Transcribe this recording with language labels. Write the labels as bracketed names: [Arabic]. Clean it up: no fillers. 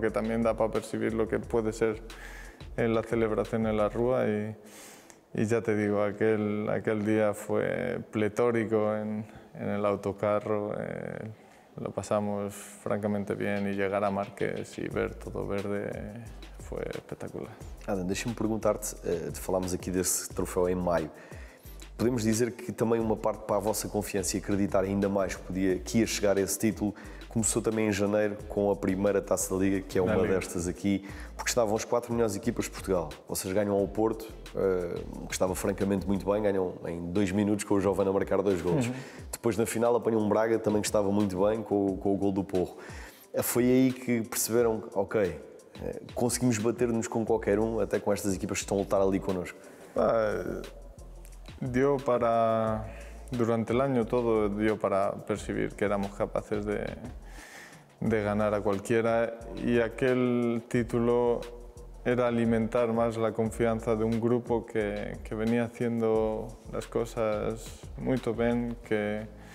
[Spanish] Que también da para percibir lo que puede ser en la celebración en la rúa. Y ya te digo, aquel día fue pletórico en el autocarro, lo pasamos francamente bien y llegar a Marqués y ver todo verde fue espectacular. [Portuguese] Adam, deixa-me perguntar-te, falámos aqui desse troféu em maio, Podemos dizer que também uma parte para a vossa confiança e acreditar ainda mais que podia que ia chegar a esse título começou também em janeiro com a primeira Taça da Liga, que é uma destas aqui, porque estavam as quatro melhores equipas de Portugal. Vocês ganham ao Porto, que estava francamente muito bem, ganham em dois minutos com o Jovane a marcar dois golos. Uhum. Depois na final apanham um Braga, também que estava muito bem com o gol do Porro. Foi aí que perceberam que, ok, conseguimos bater-nos com qualquer um, até com estas equipas que estão a lutar ali connosco. [Spanish] Dio para, durante el año todo, dio para percibir que éramos capaces de ganar a cualquiera y aquel título era alimentar más la confianza de un grupo que venía haciendo las cosas muy bien, que